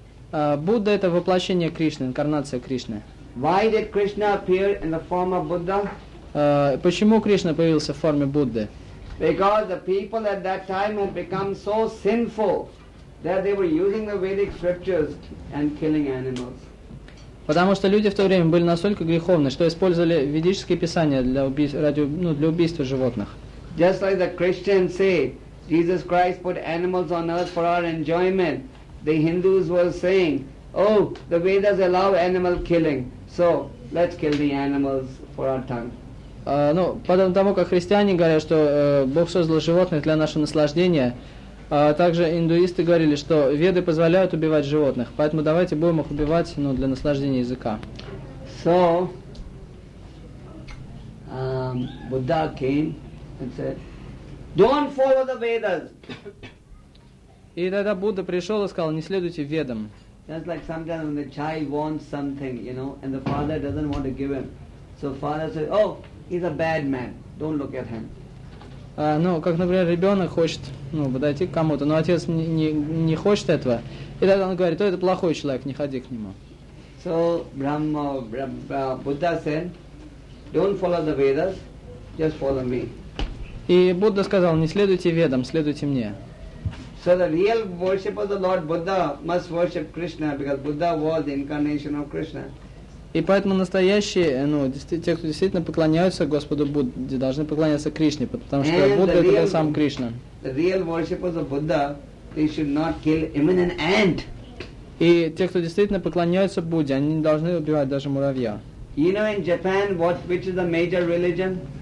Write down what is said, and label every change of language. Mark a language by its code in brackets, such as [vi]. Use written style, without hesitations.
[ru] Будда — это воплощение Кришны, инкарнация Кришны. [en] Why did Krishna appear in the form of Buddha? [ru] Почему Кришна появился в форме Будды? [en] Because the people at that time had become so sinful that they were using the Vedic scriptures and killing animals. [ru] Потому что люди в то время были настолько греховны, что использовали ведические писания для убийства животных. [en] Just like the Christians say, Jesus Christ put animals on earth for our enjoyment, the Hindus were saying, oh, the Vedas allow animal killing, so let's kill the animals for our tongue. [ru] Потом тому, как христиане говорят, что Бог создал животных для нашего наслаждения, также индуисты говорили, что веды позволяют убивать животных, поэтому давайте будем их убивать для наслаждения языка. [en] So, Buddha came and said, don't follow the Vedas. [ru] И тогда Будда пришел и сказал, не следуйте ведам. [en] Just like sometimes when the child wants something, you know, and the father doesn't want to give him. So father says, oh, he's a bad man. Don't look at him. [ru] Как, например, ребенок хочет подойти к кому-то, но отец не хочет этого. И тогда он говорит, это плохой человек, не ходи к нему. [en] So Brahma, Buddha said, don't follow the Vedas, just follow me. [ru] И Будда сказал, не следуйте ведам, следуйте мне. [en] So the real worship of the Lord Buddha must worship Krishna, because Buddha was the incarnation of Krishna. [ru] И поэтому настоящие, те, кто действительно поклоняются Господу Будде, должны поклоняться Кришне, потому что Будда — это сам Кришна. [en] The real worshippers of Buddha, they should not kill even an ant. [ru] И те, кто действительно поклоняются Будде, они не должны убивать даже муравья. [en] You know in Japan, which is the major religion?